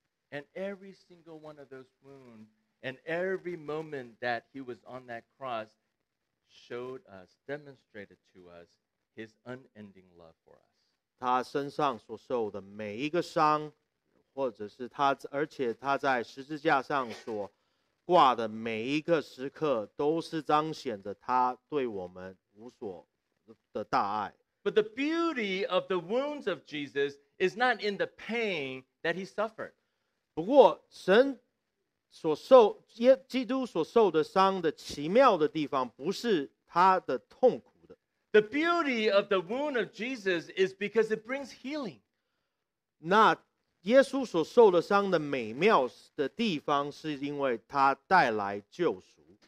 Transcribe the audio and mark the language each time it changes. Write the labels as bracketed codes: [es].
[en] And every single one of those wounds, and every moment that he was on that cross, showed us, demonstrated to us his unending love for us. [zh] 他身上所受的每一个伤，或者是他，而且他在十字架上所挂的每一个时刻，都是彰显着他对我们无所的大爱。 [en] But the beauty of the wounds of Jesus is not in the pain that he suffered. [zh] 不过，神所受耶基督所受的伤的奇妙的地方，不是他的痛苦的。 [en] The beauty of the wound of Jesus is because it brings healing. [zh] 那耶稣所受的伤的美妙的地方，是因为他带来救赎。